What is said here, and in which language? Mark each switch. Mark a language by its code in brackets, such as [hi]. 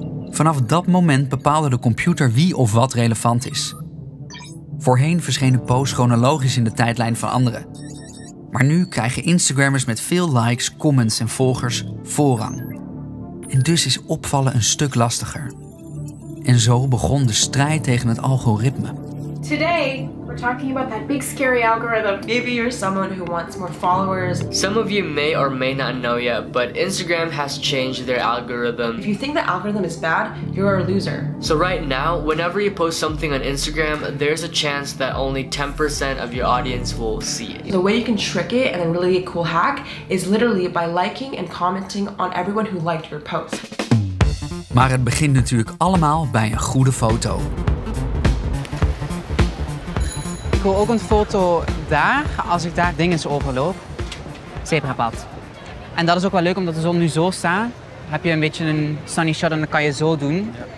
[nl] Vanaf dat moment bepaalde de computer wie of wat relevant is. Voorheen verschenen posts chronologisch in de tijdlijn van anderen. Maar nu krijgen Instagrammers met veel likes, comments en volgers voorrang. En dus is opvallen een stuk lastiger. En zo begon de strijd tegen het algoritme. [en] Today we're talking about that big scary algorithm. Maybe you're someone who wants more followers. Some of you may or may not know yet, but Instagram has changed their algorithm. If you think the algorithm is bad, you're a loser. So right now, whenever you post something on Instagram, there's a chance that only 10% of your audience will see it. The way you can trick it and a really cool hack is literally by liking and commenting on everyone who liked your post. [nl] Maar het begint natuurlijk allemaal bij een goede foto. Ik wil ook een foto daar, als ik daar dingen overloop. Zebrapad. En dat is ook wel leuk, omdat de zon nu zo staat. Heb je een beetje een sunny shot en dan kan je zo doen.